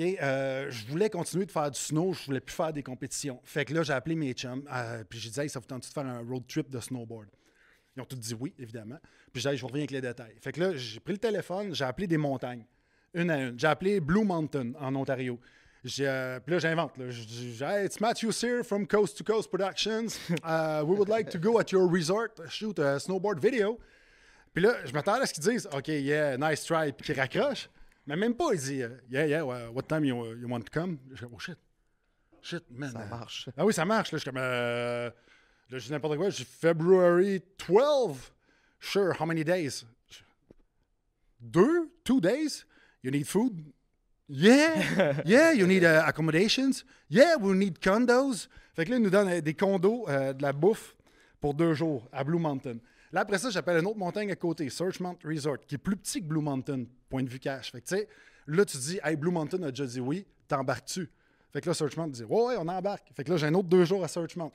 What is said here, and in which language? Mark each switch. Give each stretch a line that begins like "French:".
French: Je voulais continuer de faire du snow, je voulais plus faire des compétitions. Fait que là, j'ai appelé mes chums, puis j'ai dit, hey, ça vous tente de faire un road trip de snowboard? Ils ont tous dit oui, évidemment. Puis j'ai dit, je vous reviens avec les détails. Fait que là, j'ai pris le téléphone, j'ai appelé des montagnes, une à une. J'ai appelé Blue Mountain en Ontario. Puis là, j'invente. Là. J'ai dit,
English: hey, it's Matthew Sear from Coast to Coast Productions. We would like to go at your resort, shoot a snowboard video.
French: Puis là, je m'attends à ce qu'ils disent,
English: OK, yeah, nice try,
French: puis qu'ils raccrochent. Mais même pas, ils disent,
English: yeah, well, what time you want to come?
French: Je dis,
English: oh shit, man.
French: Ça marche. Ah oui, ça marche. Là, je suis comme, là, je dis n'importe quoi. Je dis,
English: February 12, sure, how many days? Two days? You need food? Yeah, you need accommodations. Yeah, we need condos.
French: Fait que là, ils nous donnent des condos, de la bouffe pour 2 jours à Blue Mountain. Là, après ça, j'appelle une autre montagne à côté, Searchmont Resort, qui est plus petit que Blue Mountain, point de vue cash. Fait que tu sais, là, tu dis, hey, Blue Mountain a déjà dit oui, t'embarques-tu? Fait que là, Searchmont dit, ouais, on embarque. Fait que là, j'ai un autre 2 jours à Searchmont.